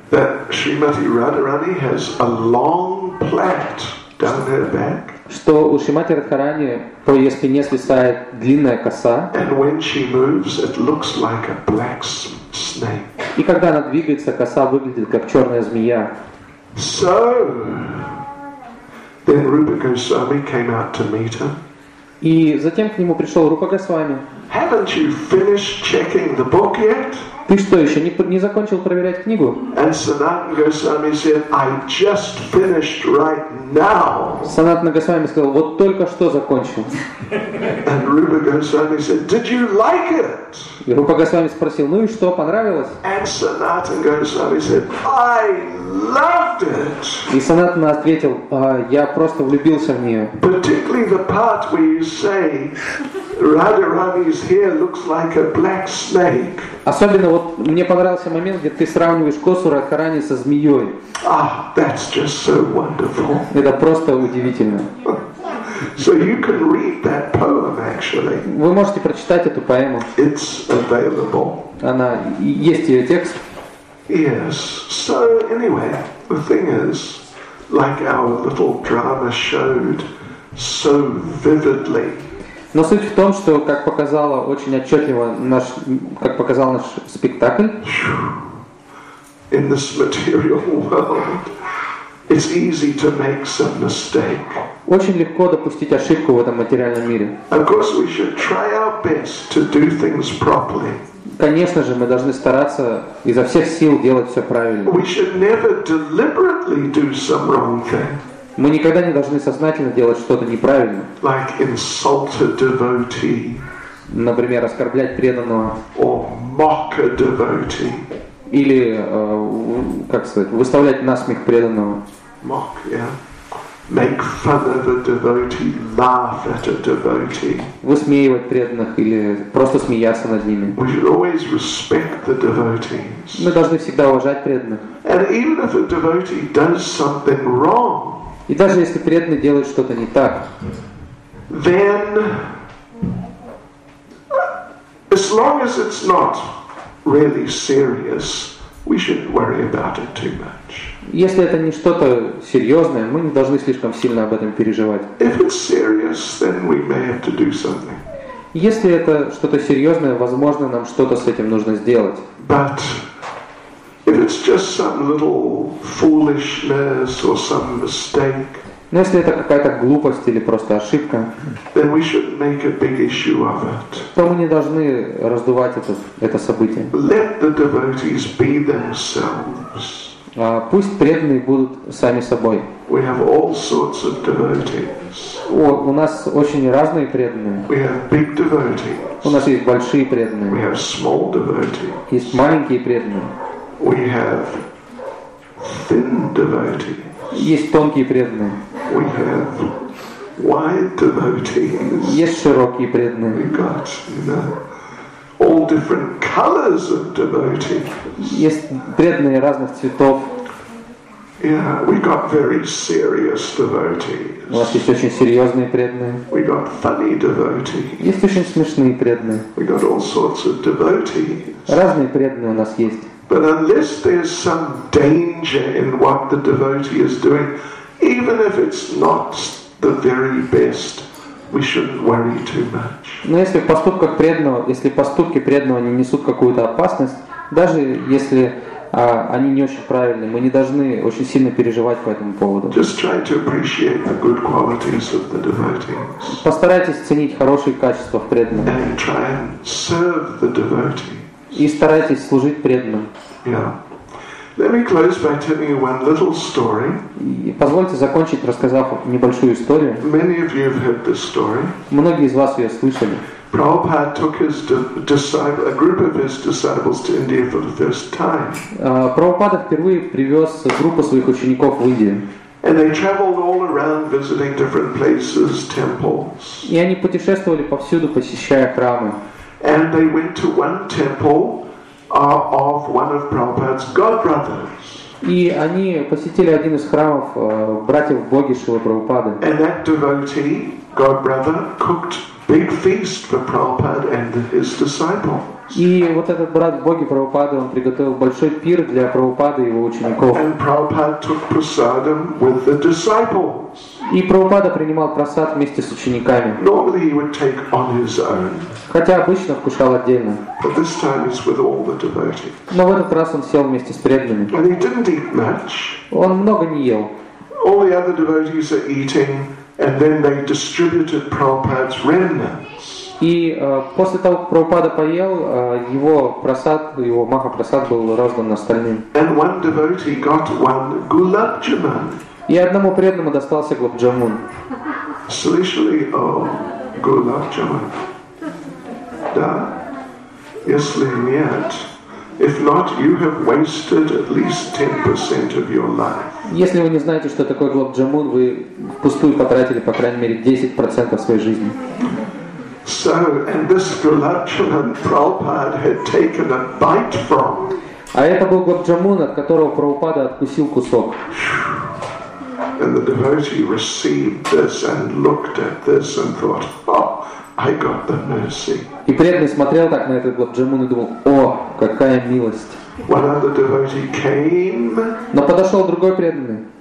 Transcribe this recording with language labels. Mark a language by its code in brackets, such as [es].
[en] That Shrimati Radharani has a long plait down her back. [ru] Что у Шримати Радхарани по ее спине свисает длинная коса. [en] And when she moves, it looks like a black snake. [ru] И когда она двигается, коса выглядит как черная змея. [en] So, then Rupa Goswami came out to meet her. [ru] И затем к нему пришел Рупа Госвами. [en] Haven't you finished checking the book yet? [ru] Ты что, еще не закончил проверять книгу? [en] And Sanatana Goswami said, I just finished right now. [ru] Sanatana Goswami сказал, вот только что закончил. [en] And Rupa Goswami said, did you like it? [ru] И Рупа Госвами спросил, ну и что, понравилось? [en] And Sanatana Goswami said, I loved it. [ru] И Sanatana ответил, я просто влюбился в нее. [en] Particularly the part where you say, Radharani's hair looks like a black snake. [ru] Особенно вот мне понравился момент, где ты сравниваешь косу Радхарани со змеей. [en] Ah, that's just so wonderful. [ru] Это просто удивительно. [en] So you can read that poem, actually. [ru] Вы можете прочитать эту поэму. [en] It's available. [ru] Она есть ее текст. [en] Yes. So anyway, the thing is, like our little drama showed so vividly. [ru] Но суть в том, что, как показала очень отчетливо наш, как показал наш спектакль, [en] in this material world, it's easy to make some mistake. [ru] Очень легко допустить ошибку в этом материальном мире. [en] Of course, we should try our best to do things properly. [ru] Конечно же, мы должны стараться изо всех сил делать все правильно. [en] We should never deliberately do some wrong thing. [ru] Мы никогда не должны сознательно делать что-то неправильно. [en] Like insult a devotee. [ru] Например, оскорблять преданного. [en] Or mock a devotee. [ru] Или, как сказать, выставлять насмех преданного. [en] Mock, yeah. Make fun of a devotee, laugh at a devotee. [ru] Высмеивать преданных или просто смеяться над ними. [en] We should always respect the devotees. [ru] Мы должны всегда уважать преданных. [en] And even if a devotee does something wrong, [ru] и даже если преданный делает что-то не так, [en] then, as long as it's not really serious, we shouldn't worry about it too much. [ru] Если это не что-то серьезное, мы не должны слишком сильно об этом переживать. [en] If it's serious, then we may have to do something. [ru] Если это что-то серьезное, возможно, нам что-то с этим нужно сделать. [en] But if it's just some little foolishness or some mistake, [ru] но если это какая-то глупость или просто ошибка, [en] then we shouldn't make a big issue of it. [ru] То мы не должны раздувать это событие. [en] Let the devotees be themselves. [ru] Пусть преданные будут сами собой. [en] We have all sorts of devotees. [ru] У нас очень разные преданные. [en] We have big devotees. [ru] У нас есть большие преданные. [en] We have small devotees. [ru] Есть маленькие преданные. [en] We have thin devotees. [ru] Есть тонкие преданные. [en] We have wide devotees. [ru] Есть широкие преданные. [en] We've got, all different colors of devotees. [ru] Есть преданные разных цветов. [en] Yeah, we've got very serious devotees. [ru] У нас есть очень серьезные преданные. [en] We've got funny devotees. [ru] Есть очень смешные преданные. [en] We've got all sorts of devotees. [ru] Разные преданные у нас есть. [en] But unless there's some danger in what the devotee is doing, even if it's not the very best, we shouldn't worry too much. [ru] Но если в поступках преданного, если поступки преданного не несут какую-то опасность, даже если они не очень правильны, мы не должны очень сильно переживать по этому поводу. [en] Just try to appreciate the good qualities of the devotees. [ru] Постарайтесь ценить хорошие качества в преданном. [en] And try and serve the devotees. [ru] И старайтесь служить преданным. [en] Yeah. Let me close by telling you one little story. [ru] И позвольте закончить, рассказав небольшую историю. [en] Many of you have heard this story. [ru] Многие из вас ее слышали. [en] Prabhupada took his disciple, a group of his disciples, to India for the first time. [ru] Прабхупада впервые привез группу своих учеников в Индию. [en] And they traveled all around, visiting different places, temples. [ru] И они путешествовали повсюду, посещая храмы. [en] And they went to one temple of one of Prabhupada's god brothers. [ru] И они посетили один из храмов братьев Боги Шрилы Прабхупады. [en] And that devotee, god brother, cooked big feast for Prabhupada and his disciples. [ru] И вот этот брат Боги Прабхупады, он приготовил большой пир для Прабхупады и его учеников. [en] And Prabhupada took prasadam with the disciples. [ru] И Прабхупада принимал прасад вместе с учениками. [en] Normally he would take on his own. [ru] Хотя обычно вкушал отдельно. [en] But this time it's with all the devotees. [ru] Но в этот раз он сел вместе с преданными. [en] And he didn't eat much. [ru] Он много не ел. [en] All the other devotees are eating, and then they distributed Prabhupada's remnants. [ru] И после того, как Прабхупада поел, его прасад, его маха-прасад был раздан остальным. [en] And one devotee got one gulab jamun. [ru] И одному преданному достался гулаб джамун. Слышали о гулаб джамун? Да? Если нет, [en] if not, you have wasted at least 10% of your life. [ru] Если вы не знаете, что такое гулаб джамун, вы впустую потратили, по крайней мере, 10% своей жизни. [en] So, and this gulab jamun Prabhupada had taken a bite from. [ru] А это был гулаб джамун, от которого Прабхупада откусил кусок. [en] And the devotee received this and looked at this and thought, oh, I got the mercy. [ru] И преданный смотрел так на этот гулаб джамун и думал, о, какая милость. [en] One other devotee came. [ru] Но подошел другой преданный.